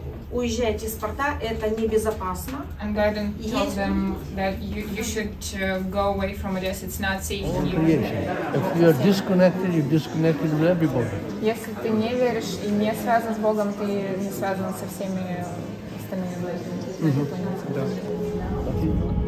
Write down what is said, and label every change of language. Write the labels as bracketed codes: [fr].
[ru] Уезжайте из порта, это небезопасно. [en] And Gordon told them that you should go away from Odessa, it's not safe. All creation. If you are disconnected, you're disconnected with everybody. [ru] Если ты не веришь и не связан с Богом, ты не связан со всеми остальными людьми.